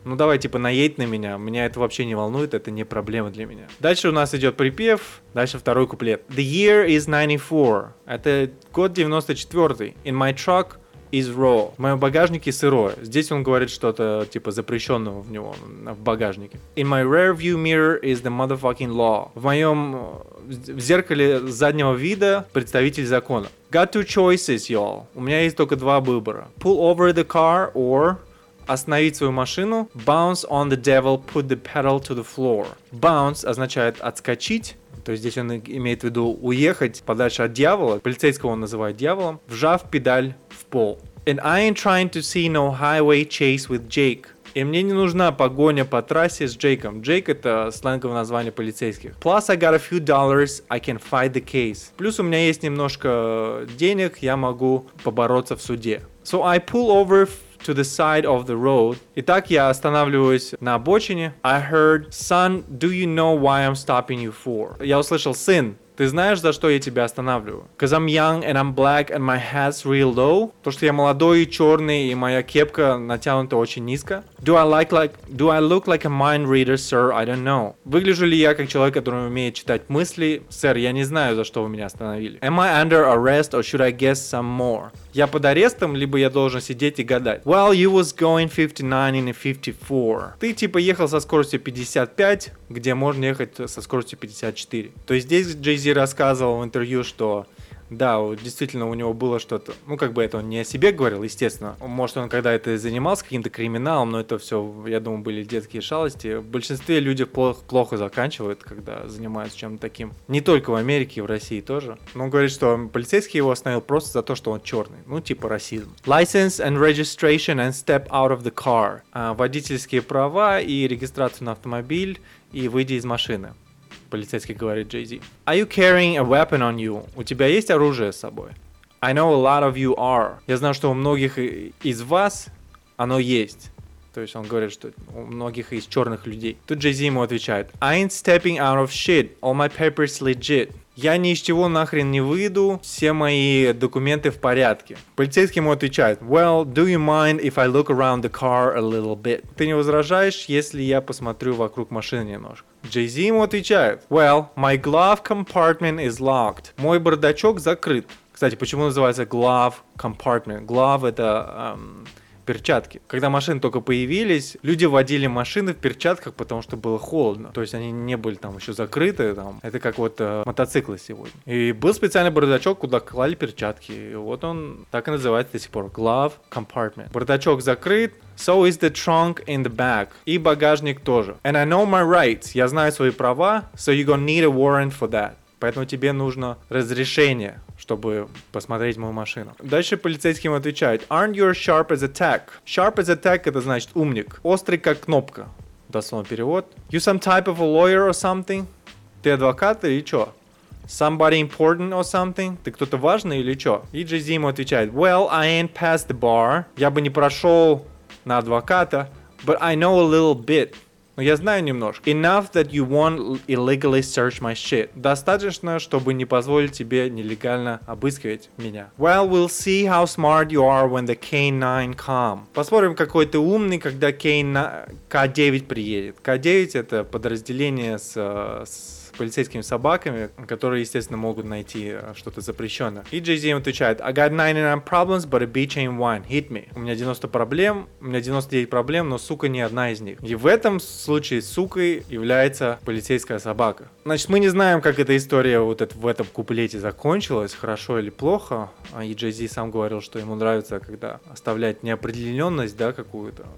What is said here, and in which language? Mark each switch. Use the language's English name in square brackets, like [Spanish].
[Russian] Ну, давай, типа, наедь на меня, меня это вообще не волнует, это не проблема для меня. Дальше у нас идет припев, дальше второй куплет. [English] The year is 94. [Russian] Это год 94-й. [English] In my truck is raw. [Russian] В моем багажнике сырое. Здесь он говорит что-то, типа, запрещенного в него, в багажнике. [English] In my rear view mirror is the motherfucking law. [Russian] В моем в зеркале заднего вида представитель закона. [English] Got two choices, y'all. [Russian] У меня есть только два выбора. [English] Pull over the car or [Russian] остановить свою машину. [English] Bounce on the devil, put the pedal to the floor. [Russian] Bounce означает отскочить. То есть здесь он имеет в виду уехать подальше от дьявола. Полицейского он называет дьяволом. Вжав педаль в пол. [English] And I ain't trying to see no highway chase with Jake. [Russian] И мне не нужна погоня по трассе с Джейком. Джейк — это сленговое название полицейских. [English] Plus I got a few dollars, I can fight the case. [Russian] Плюс у меня есть немножко денег, я могу побороться в суде. [English] So I pull over to the side of the road. [Russian] Итак, я останавливаюсь на обочине. [English] I heard, son, do you know why I'm stopping you for? [Russian] Я услышал, сын. Ты знаешь, за что я тебя останавливаю? [English] Cause I'm young and I'm black and my hat's real low. [Russian] То, что я молодой и черный, и моя кепка натянута очень низко. [English] Do I look like a mind reader, sir? I don't know. [Russian] Выгляжу ли я как человек, который умеет читать мысли? Сэр, я не знаю, за что вы меня остановили. [English] Am I under arrest or should I guess some more? [Russian] Я под арестом, либо я должен сидеть и гадать? [English] Well, you was going 59 in a 54. [Russian] Ты типа ехал со скоростью 55, где можно ехать со скоростью 54. То есть здесь Jay-Z рассказывал в интервью, что да, действительно у него было что-то, ну как бы это он не о себе говорил, естественно. Может, он когда-то занимался каким-то криминалом, но это все, я думаю, были детские шалости. В большинстве людей плохо заканчивают, когда занимаются чем-то таким. Не только в Америке, в России тоже. Но он говорит, что полицейский его остановил просто за то, что он черный. Ну типа расизм. [English] License and registration and step out of the car. [Russian] Водительские права и регистрацию на автомобиль и выйди из машины. Полицейский говорит Jay-Z. [English] Are you carrying a weapon on you? [Russian] У тебя есть оружие с собой? [English] I know a lot of you are. [Russian] Я знаю, что у многих из вас оно есть. То есть он говорит, что у многих из черных людей. Тут Jay-Z ему отвечает. [English] I ain't stepping out of shit. All my papers legit. [Russian] Я ни из чего нахрен не выйду. Все мои документы в порядке. Полицейский ему отвечает. [English] Well, do you mind if I look around the car a little bit? [Russian] Ты не возражаешь, если я посмотрю вокруг машины немножко? Jay-Z ему отвечает. [English] Well, my glove compartment is locked. [Russian] Мой бардачок закрыт. Кстати, почему называется glove compartment? Glove — это перчатки. Когда машины только появились, люди водили машины в перчатках, потому что было холодно. То есть они не были там еще закрыты. Там. Это как вот мотоциклы сегодня. И был специальный бардачок, куда клали перчатки. И вот он так и называется до сих пор. Glove compartment. Бардачок закрыт. [English] So is the trunk in the back. [Russian] И багажник тоже. [English] And I know my rights. [Russian] Я знаю свои права. [English] So you're gonna need a warrant for that. [Russian] Поэтому тебе нужно разрешение, чтобы посмотреть мою машину. Дальше полицейским отвечает. [English] Aren't you sharp as a tack? Sharp as a tack — [Russian] это значит умник. Острый как кнопка. Дословный перевод. [English] You some type of a lawyer or something? [Russian] Ты адвокат или чё? [English] Somebody important or something? [Russian] Ты кто-то важный или чё? И Jay-Z ему отвечает. [English] Well, I ain't past the bar. [Russian] Я бы не прошел на адвоката, [English] but I know a little bit. [Russian] Но я знаю немножко. [English] Enough that you won't illegally search my shit. [Russian] Достаточно, чтобы не позволить тебе нелегально обыскивать меня. [English] Well, we'll see how smart you are when the K9 come. [Russian] Посмотрим, какой ты умный, когда K9 приедет. K9 — это подразделение с полицейскими собаками, которые, естественно, могут найти что-то запрещенное. И JZM отвечает: [English] I got 99 problems, but a bitch ain't one. Hit me. [Russian] У меня 90 проблем, у меня 99 проблем, но сука не одна из них. И в этом случае сукой является полицейская собака. Значит, мы не знаем, как эта история вот в этом куплете закончилась, хорошо или плохо. И JZ сам говорил, что ему нравится, когда оставляет неопределенность, да, какую-то.